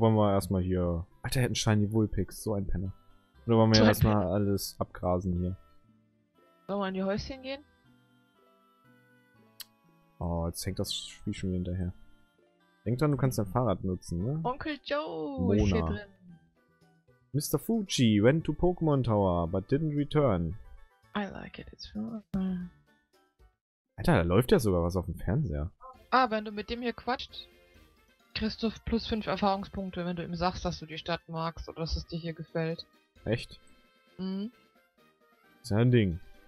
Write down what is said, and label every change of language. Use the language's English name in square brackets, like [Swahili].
[German] wollen wir erstmal hier. Alter, er hat einen Shiny Vulpix, so ein Penner. Oder wollen wir So ein Penner. erstmal alles abgrasen hier? Sollen wir in die Häuschen gehen? Oh, jetzt hängt das Spiel schon wieder hinterher. Denk dran, du kannst dein Fahrrad nutzen, ne? Onkel Joe ist hier Mona. drin. [English] Mr. Fuji went to Pokémon Tower, but didn't return. I like it, it's fun. [German] Alter, da läuft ja sogar was auf dem Fernseher. Ah, wenn du mit dem hier quatscht, kriegst du plus 5 Erfahrungspunkte, wenn du ihm sagst, dass du die Stadt magst oder dass es dir hier gefällt. Echt? Mhm. Ist ja ein Ding.